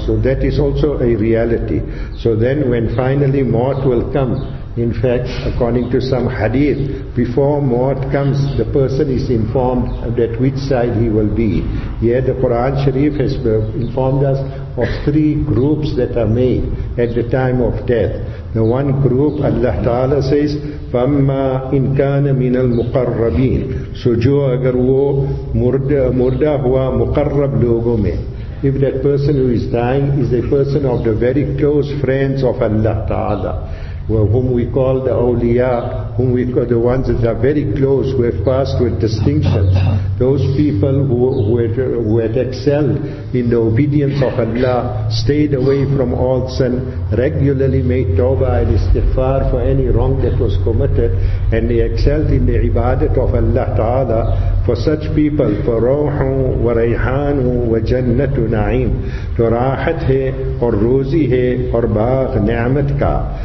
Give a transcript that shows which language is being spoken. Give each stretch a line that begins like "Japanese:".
English: So that is also a reality. So then when finally mort will come, in fact, according to some hadith, before mort comes, the person is informed that which side he will be. Yet the Quran Sharif has informed us of three groups that are made at the time of death. The one group, Allah Ta'ala says,
Arabic: فَأَمَّا إِنْ كَانَ مِنَ الْمُقَرَّبِينَ.
Urdu: So جو اگر وہ مردہ ہوا مقرب لوگوں میں.
English: If that person who is dying is a person of the very close friends of Allah Ta'ala, whom we call the awliya, whom we call the ones that are very close, who have passed with distinction, those people who had excelled in the obedience of Allah, stayed away from all sin, regularly made tawbah and istighfar for any wrong that was committed, and they excelled in the ibadat of Allah Ta'ala, for such people,
Arabic: فَرَوْحُ وَرَيْحَانُ وَجَنَّةُ نَعِيمُ.
Urdu: تو راحت ہے اور روزی ہے اور باغ نعمت کا.